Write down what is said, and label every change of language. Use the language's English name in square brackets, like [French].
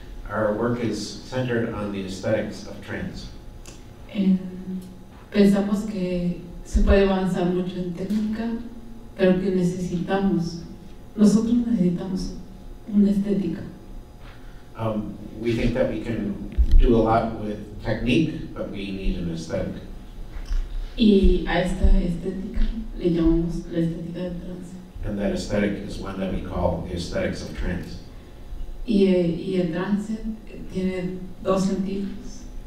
[English] Our work is centered on the aesthetics of trance. [Spanish] Pensamos que se puede avanzar mucho en técnica, pero que nosotros necesitamos una estética. [English] We think that we can do a lot with technique, but we need an aesthetic. [Spanish] Y a esta estética le llamamos la estética del trance. [English] And that aesthetic is one that we call the aesthetics of trance. [Spanish] Y el trance tiene dos sentidos.